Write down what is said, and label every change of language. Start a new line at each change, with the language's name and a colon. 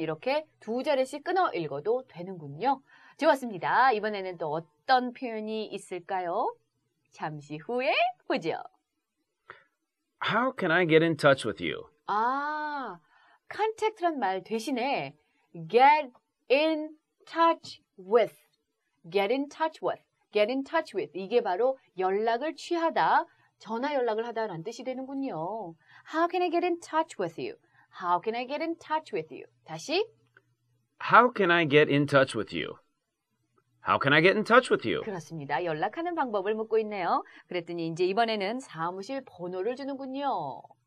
Korean: 이렇게 두 자리씩 끊어 읽어도 되는군요. 좋았습니다. 이번에는 또 어떤 표현이 있을까요? 잠시 후에 보죠.
English: How can I get in touch with you?
Korean: 아, contact란 말 대신에
English: get in touch with. Get in touch with. Get in touch with.
Korean: 이게 바로 연락을 취하다, 전화 연락을 하다라는 뜻이 되는군요.
English: How can I get in touch with you? How can I get in touch with you?
Korean: 다시.
English: How can I get in touch with you? How can I get in touch with you?
Korean: 그렇습니다. 연락하는 방법을 묻고 있네요. 그랬더니 이제 이번에는 사무실 번호를 주는군요.